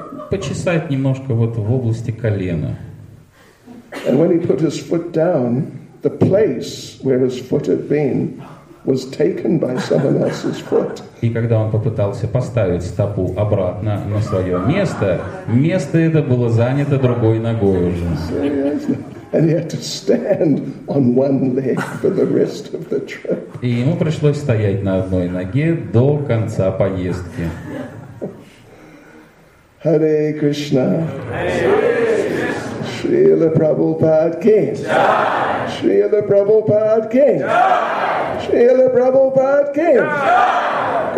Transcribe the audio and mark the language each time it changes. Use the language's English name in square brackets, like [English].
[Russian] Почесать немножко вот в области колена. [English] And when he put his foot down, the place where his foot had been was taken by someone else's foot. [Russian] И когда он попытался поставить стопу обратно на свое место, место это было занято другой ногой уже. [English] And he had to stand on one leg for the rest of the trip. [Russian] И ему пришлось стоять на одной ноге до конца поездки. [Sanskrit] Hare Krishna. Srila Prabhupada ki. Srila Prabhupada ki. Srila Prabhupada ki.